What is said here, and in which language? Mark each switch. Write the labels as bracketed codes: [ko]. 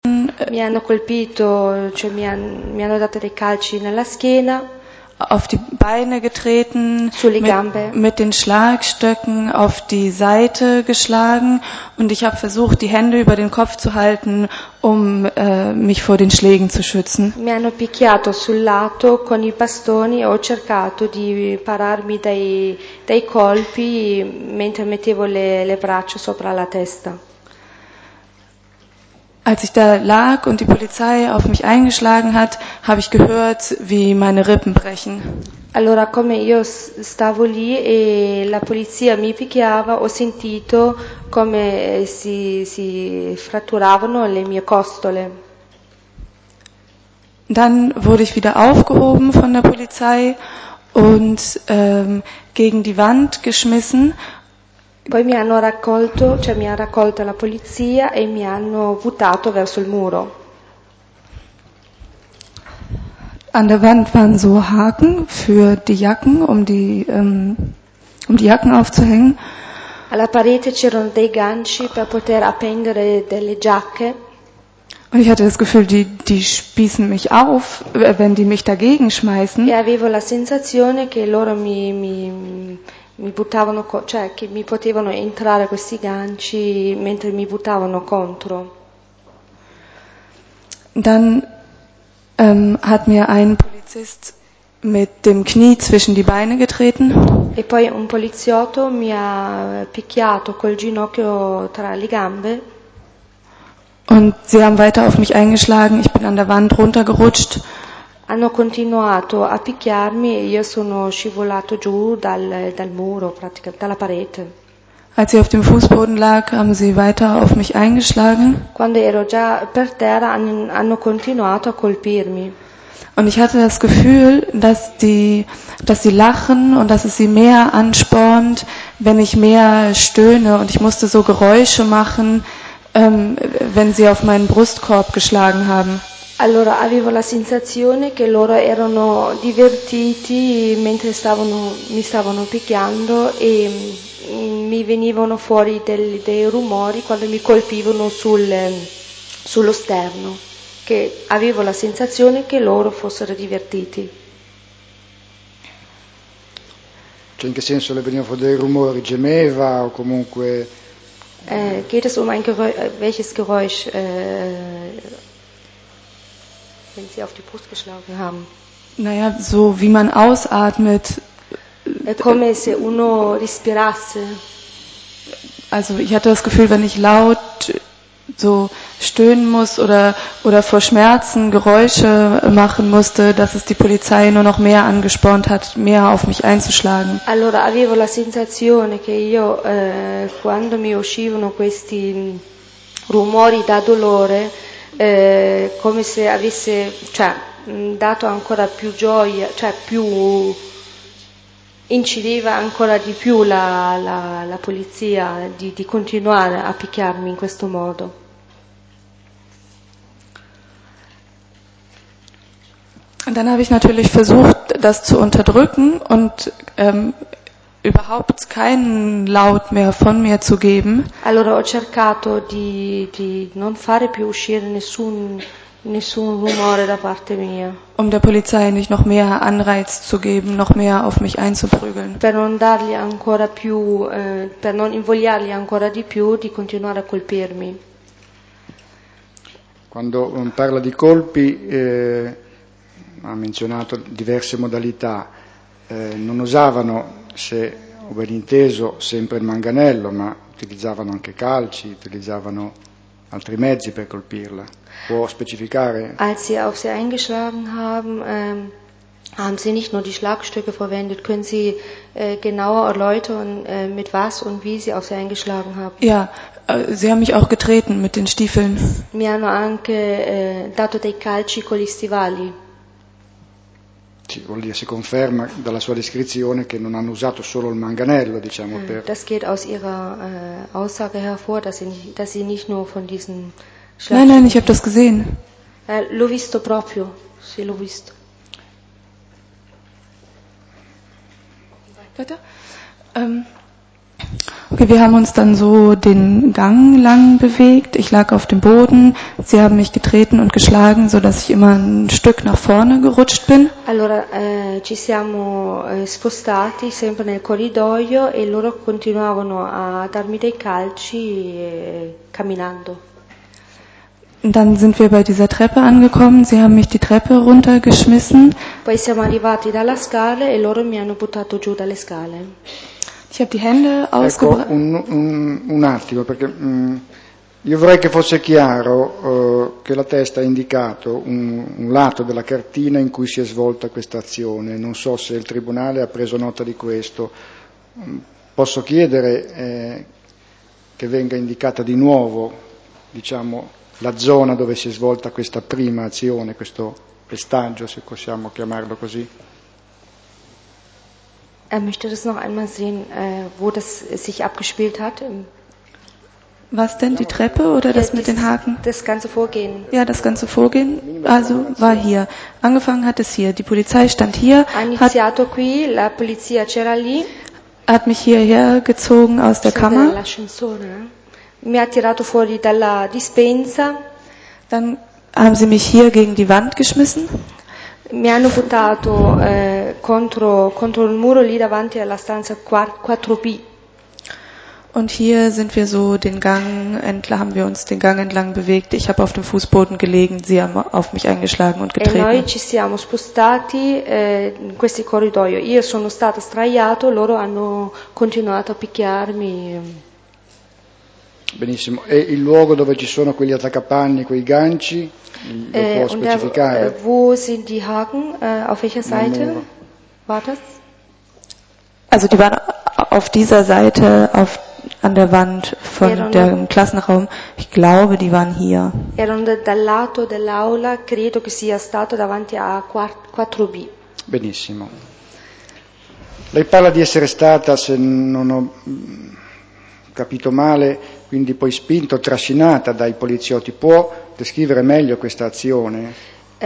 [it] Mi hanno colpito, cioè mi hanno dato dei calci nella schiena, [de] auf die Beine getreten, [it] sulle gambe. [de] mit den Schlagstöcken auf die Seite geschlagen und ich habe versucht, die Hände über den Kopf zu halten, um mich vor den Schlägen zu schützen. [it] Mi hanno picchiato sul lato con i bastoni e ho cercato di pararmi dai colpi mentre mettevo le braccia sopra la testa. [de] Als ich da lag und die Polizei auf mich eingeschlagen hat, habe ich gehört, wie meine Rippen brechen. [it] Allora, come io stavo lì e la polizia mi picchiava, ho sentito come si fratturavano le mie costole. [de] Dann wurde ich wieder aufgehoben von der Polizei und gegen die Wand geschmissen. [it] Poi mi hanno raccolto, cioè mi ha raccolta la polizia e mi hanno buttato verso il muro. [de] An der Wand waren so Haken für die Jacken, um die Jacken aufzuhängen. [it] Alla parete c'erano dei ganci per poter appendere delle giacche. [de] Und ich hatte das Gefühl, die spießen mich auf, wenn die mich dagegen [it] E [de] schmeißen. [it] avevo la sensazione che loro mi buttavano, cioè che mi potevano entrare questi ganci mentre mi buttavano contro. [de] Dann hat mir ein Polizist mit dem Knie zwischen die Beine getreten. [it] E poi un poliziotto mi ha picchiato col ginocchio tra le gambe. [de] Und sie haben weiter auf mich eingeschlagen, ich bin an der Wand runtergerutscht. [it] Hanno continuato a picchiarmi e io sono scivolato giù dal muro, praticamente dalla parete. [de] Als sie auf dem Fußboden lag, haben sie weiter auf mich eingeschlagen. [it] Quando ero già per terra, hanno continuato a colpirmi. [de] Und ich hatte das Gefühl, dass sie lachen und dass es sie mehr anspornt, wenn ich mehr stöhne. Und ich musste so Geräusche machen, wenn sie auf meinen Brustkorb geschlagen haben. [it] Allora, avevo la sensazione che loro erano divertiti mentre mi stavano picchiando e mi venivano fuori dei rumori quando mi colpivano sullo sterno, che avevo la sensazione che loro fossero divertiti. Cioè, in che senso le venivano fuori dei rumori? Gemeva o comunque. [de] Geht es um ein Geräusch, welches Geräusch, wenn sie auf die Brust geschlagen haben? Naja, so wie man ausatmet. [it] È come se uno respirasse. [de] Also, ich hatte das Gefühl, wenn ich laut so stöhnen muss oder vor Schmerzen Geräusche machen musste, dass es die Polizei nur noch mehr angespornt hat, mehr auf mich einzuschlagen. [it] Allora, avevo la sensazione che io, quando mi uscivano questi rumori da dolore, come se avesse, cioè, dato ancora più gioia, cioè più incideva ancora di più la polizia di continuare a picchiarmi in questo modo. [de] Und dann habe ich natürlich versucht, das zu unterdrücken und überhaupt keinen Laut mehr von mir zu geben. [it] Allora ho cercato di non fare più uscire nessun rumore da parte mia. Per [de] Um der Polizei nicht noch mehr Anreiz zu geben, noch mehr auf mich einzuprügeln. [it] non dargli ancora più, per non invogliarli ancora di più di continuare a colpirmi. Quando parla di colpi, ha menzionato diverse modalità, non usavano, se ho ben inteso, sempre il manganello, ma utilizzavano anche calci, utilizzavano altri mezzi per colpirla. Può specificare? [de] Als sie auf sie eingeschlagen haben sie nicht nur die Schlagstöcke verwendet. Können Sie genauer erläutern, mit was und wie sie auf sie eingeschlagen haben? Ja, sie haben mich auch getreten mit den Stiefeln. [it] Mi hanno anche dato dei calci con gli stivali. Vuol dire, si conferma dalla sua descrizione che non hanno usato solo il manganello, diciamo, [de] Das geht aus ihrer Aussage hervor, dass sie nicht nur von diesen Nein, nein, ich habe das gesehen. [it] L'ho visto proprio, sì, l'ho visto. [de] Weiter. Okay, wir haben uns dann so den Gang lang bewegt. Ich lag auf dem Boden. Sie haben mich getreten und geschlagen, so dass ich immer ein Stück nach vorne gerutscht bin. [it] Allora, ci siamo spostati sempre nel corridoio e loro continuavano a darmi dei calci camminando. [de] Dann sind wir bei dieser Treppe angekommen. Sie haben mich die Treppe runtergeschmissen. [it] Poi siamo arrivati dalla scala e loro mi hanno buttato giù dalle scale. [de] Ich habe die Hände ausgebreitet. [it] Ecco, un attimo, perché io vorrei che fosse chiaro che la testa ha indicato un lato della cartina in cui si è svolta questa azione. Non so se il tribunale ha preso nota di questo. Posso chiedere che venga indicata di nuovo, diciamo, la zona dove si è svolta questa prima azione, questo pestaggio, se possiamo chiamarlo così. [de] Er möchte das noch einmal sehen, wo das sich abgespielt hat. Was denn, die Treppe oder das mit den Haken? Das ganze Vorgehen. Ja, das ganze Vorgehen, also war hier. Angefangen hat es hier. Die Polizei stand hier, hat mich hierher gezogen aus der Kammer. [it] Mi ha tirato fuori dalla dispensa. [de] Dann haben sie mich hier gegen die Wand geschmissen. [it] Mi hanno buttato contro il muro lì davanti alla stanza 4B. [de] Und hier sind wir so den Gang entlang, haben wir uns den Gang entlang bewegt. Ich habe auf dem Fußboden gelegen, sie haben auf mich eingeschlagen und getreten. [it] E noi ci siamo spostati in questi corridoio. Io sono stato straiato, loro hanno continuato a picchiarmi. Benissimo. E il luogo dove ci sono quegli attaccapanni, quei ganci, lo può specificare? [de] Wo sind die Haken? Auf welcher Seite war das? Also die waren auf dieser Seite, an der Wand von dem Klassenraum. Ich glaube, die waren hier. [it] Erano dal lato dell'aula, credo che sia stato davanti a 4B. Benissimo. Lei parla di essere stata, se non ho capito male, quindi poi spinto, trascinata dai poliziotti. Può descrivere meglio questa azione?